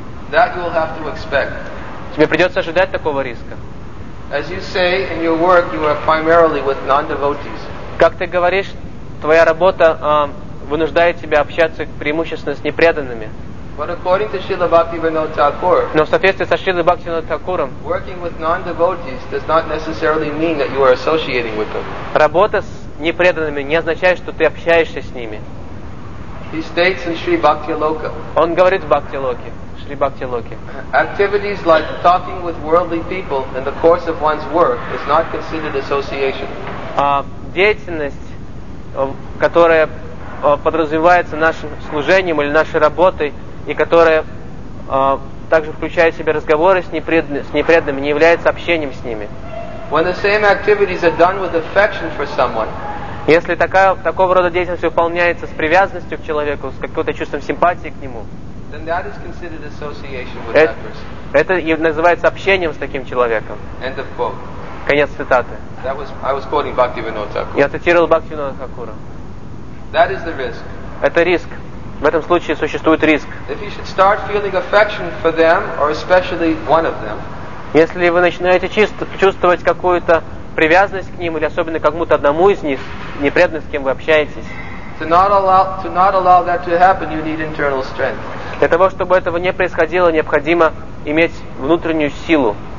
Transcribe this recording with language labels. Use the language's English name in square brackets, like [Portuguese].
[Russian] Тебе придется ожидать такого риска. [English] As you say in your work, you are primarily with non-devotees. [Russian] Как ты говоришь, твоя работа вынуждает тебя общаться преимущественно с непреданными. [English] But according to Srila Bhaktivinoda Thakur, [Russian] но в соответствии со Шрилой Бхактивинодой Тхакур, [English] working with non-devotees does not necessarily mean that you are associating with them. [Russian] Работа с непреданными не означает, что ты общаешься с ними. [English] He states in Sri Bhakti Loka. [Russian] Он говорит в Бхакти Локе, Шри Бхакти Локе. [English] Activities like talking with worldly people in the course of one's work is not considered association. [Russian] Деятельность, которая подразумевается нашим служением или нашей работой, и которая также включает в себя разговоры с непреданными, не является общением с ними. [English] When the same activities are done with affection for someone, [Russian] если такого рода деятельность выполняется с привязанностью к человеку, с каким-то чувством симпатии к нему, [English] then that is considered association with that person. [Russian] Это и называется общением с таким человеком. [English] End of quote. [Russian] Конец цитаты. [English] I was quoting Bhaktivinoda Thakura. [Russian] Я цитировал Бхактивинода Тхакура. [English] That is the risk. [Russian] Это риск. В этом случае существует риск. [English] If you should start feeling affection for them, or especially one of them, [Russian] если вы начинаете чувствовать какую-то привязанность к ним или особенно к кому-то одному из них, непреданность, с кем вы общаетесь, для того, чтобы этого не происходило, необходимо иметь внутреннюю силу.